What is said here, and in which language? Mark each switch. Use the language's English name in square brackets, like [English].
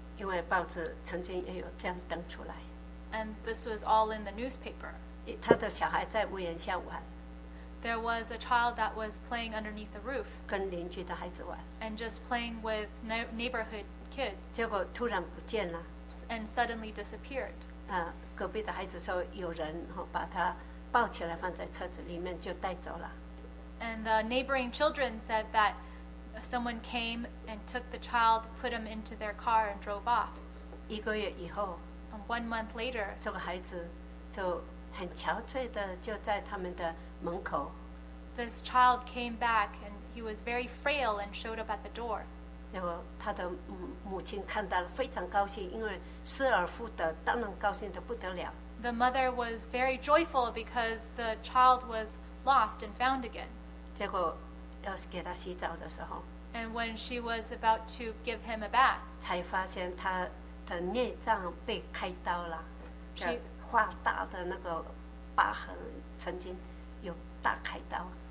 [Chinese] 因为报纸曾经也有这样登出来。 [English] And this was all in the newspaper. [Chinese] 他的小孩在屋檐下玩。 [English] There was a child that was playing underneath the roof. [Chinese] 跟邻居的孩子玩。 [English] And just playing with neighborhood kids. [Chinese] 结果突然不见了。 [English] And suddenly disappeared. [Chinese] 隔壁的孩子说有人把他抱起来放在车子里面就带走了。 [English] And the neighboring children said that someone came and took the child, put him into their car and drove off. [Chinese] 一个月以后。 [English] And 1 month later. [Chinese] 这个孩子就很憔悴的就在他们的门口。 [English] This child came back and he was very frail and showed up at the door. [Chinese] 然后他的母亲看到了非常高兴，因为失而复得，当然高兴得不得了。 [English] The mother was very joyful because the child was lost and found again. [Chinese] 结果要给他洗澡的时候。 [English] And when she was about to give him a bath. [Chinese] 才发现他的内脏被开刀了，这画大的那个疤痕曾经有大开刀。